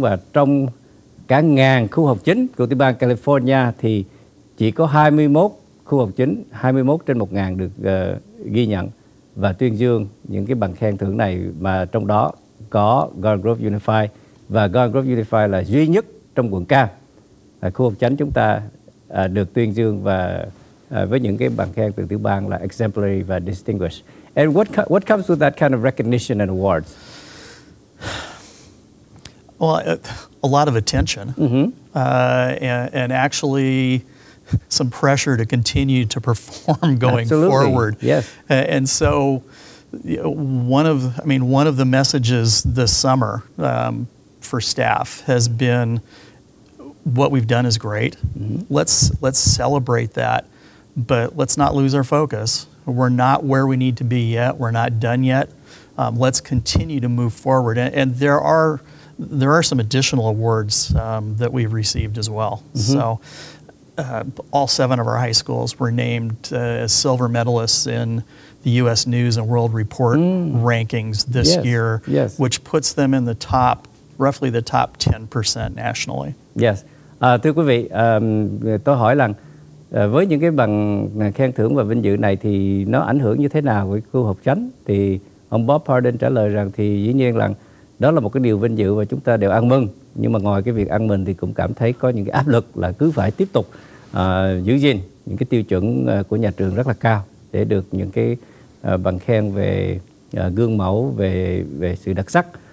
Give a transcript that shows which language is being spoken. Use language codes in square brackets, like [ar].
[vi] Và trong cả ngàn khu học chính của tiểu bang California thì chỉ có 21 khu học chính, 21 trên 1,000 được ghi nhận và tuyên dương những cái bằng khen thưởng này, mà trong đó có Garden Grove Unified. Và Garden Grove Unified là duy nhất trong quận Cam, khu học chính chúng ta được tuyên dương và với những cái bằng khen từ tiểu bang là exemplary và distinguished. [en] And what comes with that kind of recognition and awards? Well, a lot of attention. And actually some pressure to continue to perform going forward. Yes. And so one of the messages this summer for staff has been, what we've done is great. Mm-hmm. Let's celebrate that, but let's not lose our focus. We're not where we need to be yet. We're not done yet. Let's continue to move forward. And there are some additional awards that we've received as well. Mm-hmm. So all seven of our high schools were named as silver medalists in the U.S. News and World Report rankings this year, which puts them in the top, roughly the top 10% nationally. Yes. [vi] Thưa quý vị, tôi hỏi rằng với những cái bằng khen thưởng và vinh dự này thì nó ảnh hưởng như thế nào với khu học chánh? Thì ông Bob Pardon trả lời rằng thì dĩ nhiên là đó là một cái điều vinh dự và chúng ta đều ăn mừng. Nhưng mà ngoài cái việc ăn mừng thì cũng cảm thấy có những cái áp lực là cứ phải tiếp tục giữ gìn những cái tiêu chuẩn của nhà trường rất là cao để được những cái bằng khen về gương mẫu, về sự đặc sắc.